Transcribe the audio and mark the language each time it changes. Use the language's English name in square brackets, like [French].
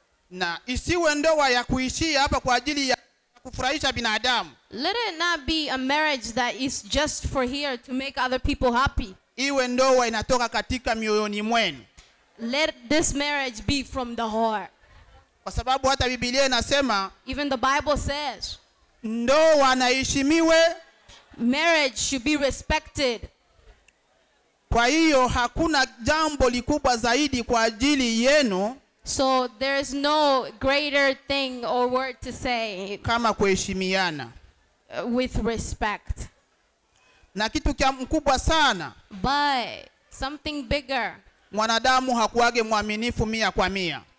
[Swahili] Na isiwe ndoa ya kuishia hapa kwa ajili ya kufurahisha binadamu. [English] Let it not be a marriage that is just for here to make other people happy. [Swahili] Iwe ndoa inatoka katika mioyoni mwenu. [English] Let this marriage be from the heart. [Swahili] Kwa sababu hata Biblia inasema, [English] even the Bible says, [Swahili] ndoa inaheshimiwe, [English] marriage should be respected. [Swahili] Kwa hiyo hakuna jambo likubwa zaidi kwa ajili yenu. [English] So there is no greater thing or word to say. [Swahili] Kama kuheshimiana. [English] With respect. [Swahili] Na kitu kia mkubwa sana. [English] But something bigger. [Swahili] Mwanadamu hakuwage mwaminifu mia kwa mia.